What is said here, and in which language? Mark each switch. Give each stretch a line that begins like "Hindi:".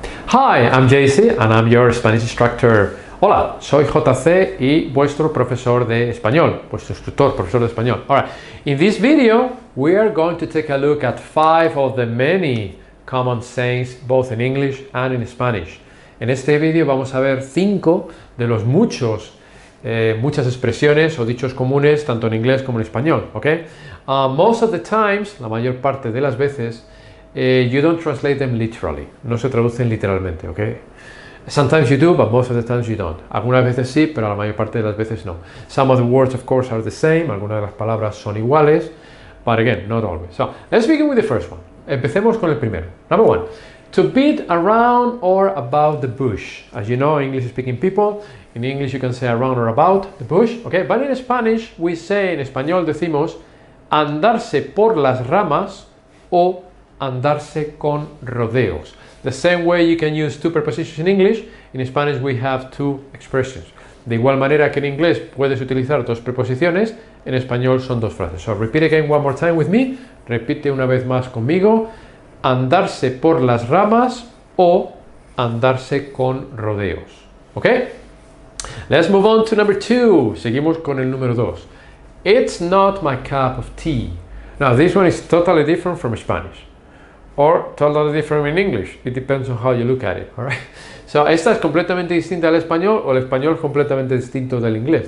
English: Hi, I'm JC and I'm your Spanish instructor.
Spanish: Hola, soy JC y vuestro profesor de español, vuestro instructor, profesor de español.
English: All right. In this video, we are going to take a look at five of the many common sayings, both in English and in Spanish.
Spanish: En este video vamos a ver cinco de los muchos, muchas expresiones o dichos comunes, tanto en inglés como en español.
English: Okay? Most of the times,
Spanish: la mayor parte de las veces,
English: you don't translate them literally.
Spanish: No se traducen literalmente, ¿ok?
English: Sometimes you do, but most of the times you don't.
Spanish: Algunas veces sí, pero la mayor parte de las veces no.
English: Some of the words, of course, are the same.
Spanish: Algunas de las palabras son iguales.
English: But again, not always. So, let's begin with the first one.
Spanish: Empecemos con el primero.
English: Number one. To beat around or about the bush. As you know, English speaking people, in English you can say around or about the bush, ¿ok? But in Spanish, we say,
Spanish: en español decimos, andarse por las ramas o andarse con rodeos.
English: The same way you can use two prepositions in English, in Spanish we have two expressions.
Spanish: De igual manera que en inglés puedes utilizar dos preposiciones, en español son dos frases.
English: So repeat again one more time with me.
Spanish: Repite una vez más conmigo. Andarse por las ramas o andarse con rodeos.
English: ¿Ok? Let's move on to number two.
Spanish: Seguimos con el número dos.
English: It's not my cup of tea. Now this one is totally different from Spanish. Or totally different in English. It depends on how you look at it. All right.
Spanish: So, esta es completamente distinta al español o el español es completamente distinto del inglés.